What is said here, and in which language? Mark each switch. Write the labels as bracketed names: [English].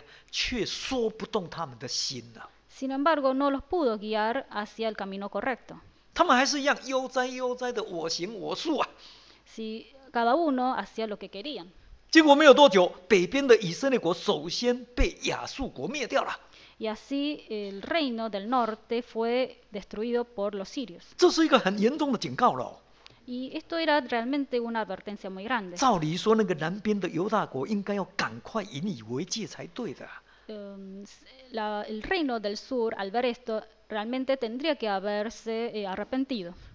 [Chinese] 只可惜虽然先知说破了嘴啊，却说不动他们的心啊。 [Spanish] Sin embargo, no los pudo guiar hacia el camino correcto. [Chinese] 他们还是一样悠哉悠哉的我行我素啊。 [Spanish] Si cada uno hacía lo que querían. [Chinese] 结果没有多久，北边的以色列国首先被亚述国灭掉了。 [Spanish] Y así el reino del norte fue destruido por los sirios. [Chinese] 这是一个很严重的警告了. [Spanish] Y esto era realmente una advertencia muy grande. [Chinese] 照理说，那个南边的犹大国应该要赶快引以为戒才对的. [Spanish] El reino del sur, al ver esto, realmente tendría que haberse arrepentido.